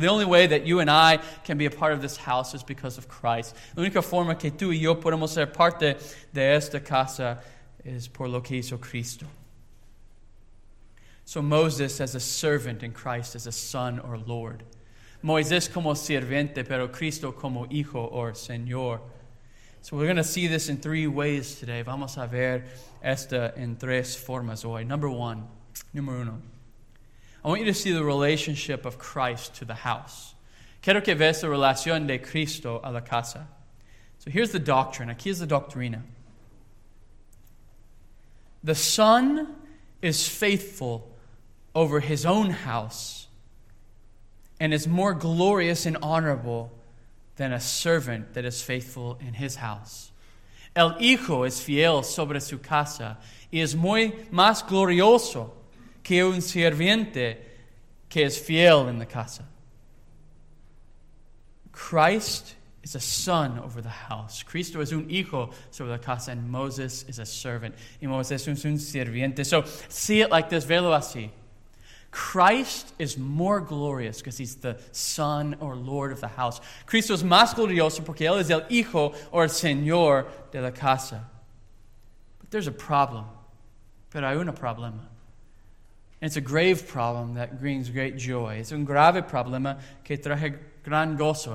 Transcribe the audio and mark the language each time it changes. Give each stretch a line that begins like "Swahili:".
English: The only way that you and I can be a part of this house is because of Christ.
Spanish: La única forma que tú y yo podemos ser parte de esta casa es por lo que hizo Cristo.
English: So Moses as a servant and Christ as a son or Lord.
Spanish: Moisés como sirviente, pero Cristo como hijo or señor.
English: So we're going to see this in three ways today.
Spanish: Vamos a ver esta en tres formas hoy. Número uno.
English: I want you to see the relationship of Christ to the house.
Spanish: Quiero que veas la relación de Cristo a la casa.
English: So here's the doctrine.
Spanish: Aquí es la doctrina.
English: The son is faithful over his own house and is more glorious and honorable than a servant that is faithful in his house.
Spanish: El hijo es fiel sobre su casa y es muy más glorioso que un sirviente que es fiel en la casa.
English: Christ is a son over the house.
Spanish: Cristo es un hijo sobre la casa,
English: and Moses is a servant.
Spanish: Y Moses es un sirviente.
English: So see it like this,
Spanish: velo así.
English: Christ is more glorious because he's the son or lord of the house.
Spanish: Cristo es más glorioso porque él es el hijo or señor de la casa.
English: But there's a problem.
Spanish: Pero hay un problema.
English: It's a grave problem that brings great joy.
Spanish: Es un grave problema que traje gran gozo.